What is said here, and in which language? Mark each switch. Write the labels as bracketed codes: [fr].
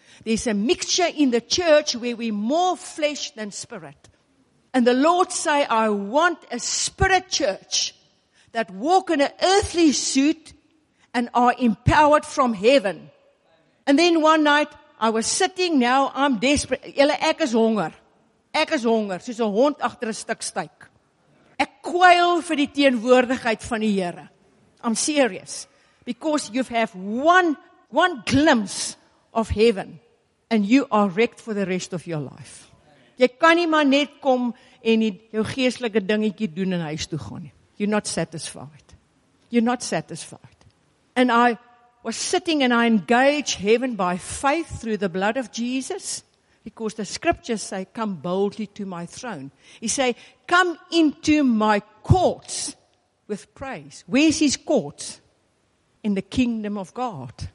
[en] There's a mixture in the church where we're more flesh than spirit. And the Lord say, I want a spirit church that walk in an earthly suit and are empowered from heaven. And then one night, I was sitting, now I'm desperate. [af] Julle, ek is honger. Ek is honger, soos 'n hond agter 'n stuk steak. Ek kwyl vir die teenwoordigheid van die Here. [en] I'm serious. Because you have one glimpse of heaven. And you are wrecked for the rest of your life. [af] Jy kan nie maar net kom en jou geestelike dingetjie doen en huis toe gaan nie. [en] You're not satisfied. You're not satisfied. And I was sitting and I engaged heaven by faith through the blood of Jesus. Because the scriptures say, come boldly to my throne. He say, come into my courts with praise. Where's his court? In the kingdom of God.